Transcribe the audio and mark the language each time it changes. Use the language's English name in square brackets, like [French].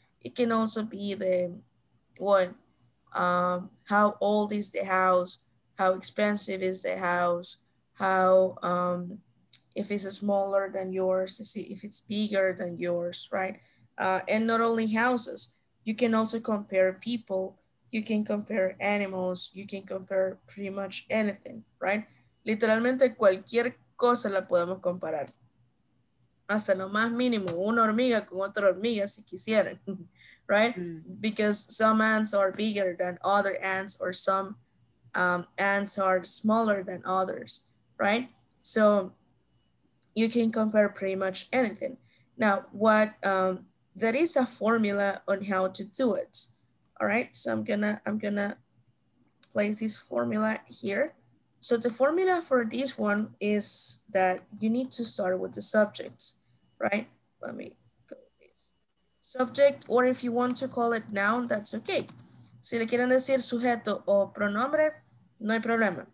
[English] It can also be the what, how old is the house, how expensive is the house, how, if it's smaller than yours, if it's bigger than yours, right? And not only houses, you can also compare people, you can compare animals, you can compare pretty much anything, right? [Spanish] Literalmente cualquier cosa la podemos comparar. Hasta lo más mínimo, una hormiga con otra hormiga si quisieran, right? [English] Because some ants are bigger than other ants, or some ants are smaller than others, right? So you can compare pretty much anything. Now, what there is a formula on how to do it, all right? So I'm gonna place this formula here. So the formula for this one is that you need to start with the subject. Right? Let me go with this. Subject, or if you want to call it noun, that's okay. [Spanish] Si le quieren decir sujeto o pronombre, no hay problema.